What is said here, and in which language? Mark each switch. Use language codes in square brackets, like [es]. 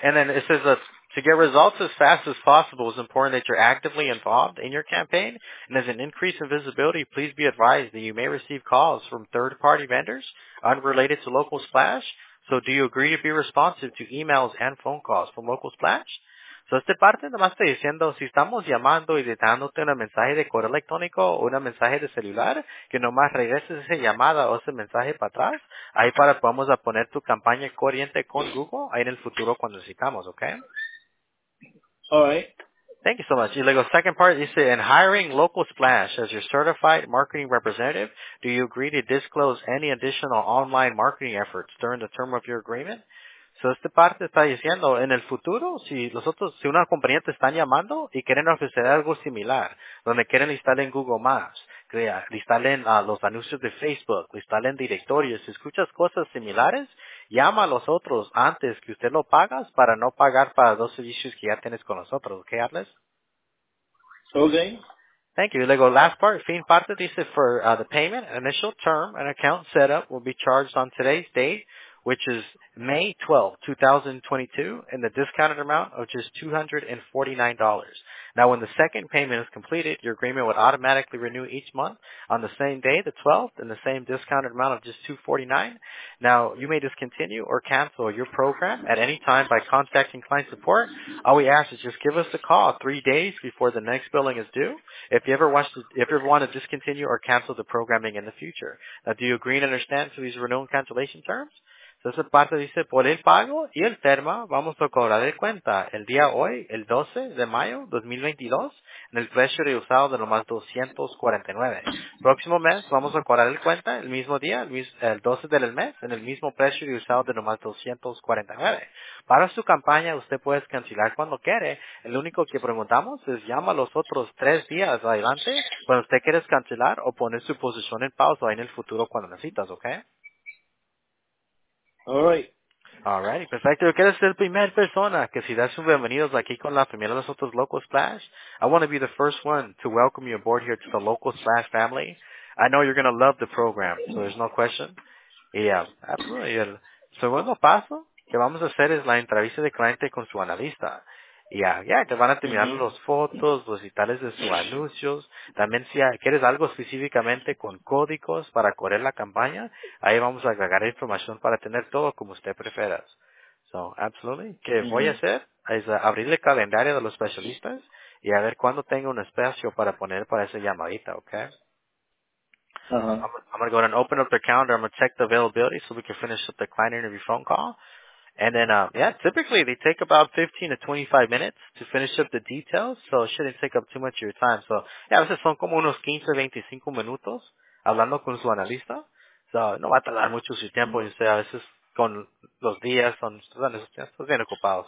[en] And then it says that to get results as fast as possible, it's important that you're actively involved in your campaign. And as an increase in visibility, please be advised that you may receive calls from third-party vendors unrelated to Local Splash. So do you agree to be responsive to emails and phone calls from Local Splash? [es] So esta parte nomás está diciendo, si estamos llamando y dándote un mensaje de correo electrónico o un mensaje de celular, que nomás regreses esa llamada o ese mensaje para atrás, ahí para podamos poner tu campaña corriente con Google ahí en el futuro cuando necesitamos, ¿ok? [en] Alright. Thank you so much. [es] Y luego, [en] second part, dice, in hiring Local Splash as your certified marketing representative, do you agree to disclose any additional online marketing efforts during the term of your agreement? [es] So esta parte está diciendo, en el futuro, si los otros, si una compañía te están llamando y quieren ofrecer algo similar, donde quieren listar en Google Maps, listarle en los anuncios de Facebook, listarle en directorios, si escuchas cosas similares, llama a los otros antes que usted lo pagas para no pagar para dos servicios que ya tienes con nosotros. ¿Ok, Atlas? [en] Okay. Thank you. [es] Luego, [en] last part, [es] fin parte, dice, [en] for the payment, initial term and account setup will be charged on today's date, which is May 12, 2022, in the discounted amount of just $249. Now, when the second payment is completed, your agreement would automatically renew each month on the same day, the 12th, in the same discounted amount of just $249. Now, you may discontinue or cancel your program at any time by contacting client support. All we ask is just give us a call 3 days before the next billing is due if you ever want to discontinue or cancel the programming in the future. Now, do you agree and understand to these renewal and cancellation terms? [es] Entonces, parte dice, por el pago y el termo, vamos a cobrar de cuenta el día hoy, el 12 de mayo 2022, en el precio de usado de nomás $249. Próximo mes, vamos a cobrar de cuenta el mismo día, el 12 del mes, en el mismo precio de usado de nomás $249. Para su campaña, usted puede cancelar cuando quiere. El único que preguntamos es, llama los otros 3 días adelante cuando usted quiere cancelar o poner su posición en pausa ahí en el futuro cuando necesitas, ¿ok? [en] All right. [es] Perfecto. Yo quiero ser la primera persona que si das un bienvenido aquí con la familia de nosotros, Local Splash. [en] I want to be the first one to welcome you aboard here to the Local Splash family. I know you're going to love the program, so there's no question. Yeah, absolutely. [es] El segundo paso que vamos a hacer es la entrevista de cliente con su analista. Yeah, te van a terminar los fotos, los detalles de sus anuncios. También si quieres algo específicamente con códigos para correr la campaña, ahí vamos a agregar información para tener todo como usted prefiera. [en] So, absolutely. [es] ¿Qué voy a hacer? Es abrir el calendario de los especialistas y a ver cuándo tengo un espacio para poner para esa llamadita, ¿ok? [en] I'm going to go ahead and open up the calendar. I'm going to check the availability so we can finish up the client interview phone call. And then, typically they take about 15 to 25 minutes to finish up the details, so it shouldn't take up too much of your time. [es] So, yeah, a veces son como unos 15 o 25 minutos hablando con su analista. So, no va a tardar mucho su tiempo, y usted a veces con los días son bien ocupados.